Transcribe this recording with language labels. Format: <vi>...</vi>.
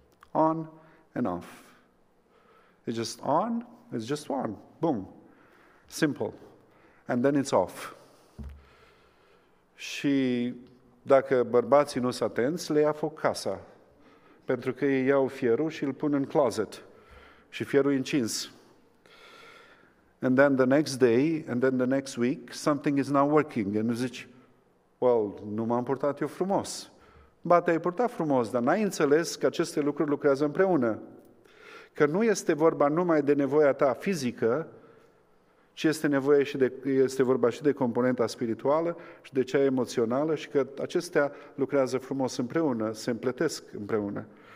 <en>On and off. It's just on, it's just on. Boom. Simple. And then it's off.</en> <ro>Și dacă bărbații nu sunt atenți, le ia foc casa. Pentru că ei iau fierul și îl pun în closet. Și fierul e încins.</ro> <en>And then the next day, and then the next week, something is not working.</en> <ro>And zici, well, nu m-am purtat eu frumos. Ba, te-ai purtat frumos, dar n-ai înțeles că aceste lucruri lucrează împreună. Că nu este vorba numai de nevoia ta fizică, ci este vorba și de componenta spirituală și de cea emoțională și că acestea lucrează frumos împreună, se împletesc împreună.</ro>